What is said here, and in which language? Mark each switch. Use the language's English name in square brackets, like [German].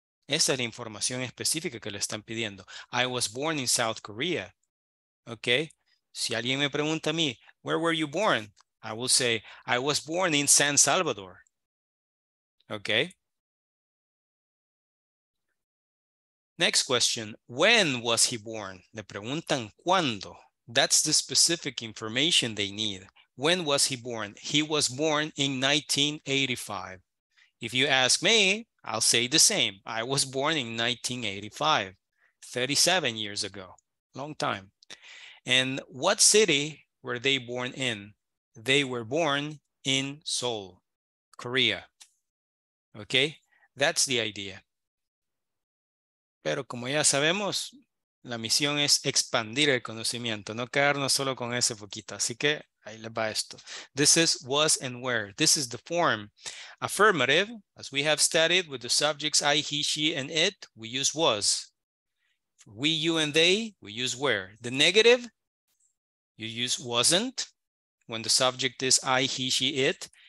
[Spanish] Esa es la información específica que le están pidiendo. [English] I was born in South Korea. Okay. [Spanish] Si alguien me pregunta a mí, [English] where were you born? I will say, I was born in San Salvador. Okay. Next question, when was he born? [Spanish] Le preguntan cuándo. [English] That's the specific information they need. When was he born? He was born in 1985. If you ask me, I'll say the same. I was born in 1985, 37 years ago, long time. And what city were they born in? They were born in Seoul, Korea. Okay, that's the idea. [Spanish] Pero como ya sabemos, la misión es expandir el conocimiento, no quedarnos solo con ese poquito. Así que ahí le va esto. [English] This is was and where. This is the form. Affirmative, as we have studied with the subjects I, he, she, and it, we use was. For we, you, and they, we use where. The negative, you use wasn't when the subject is I, he, she, it.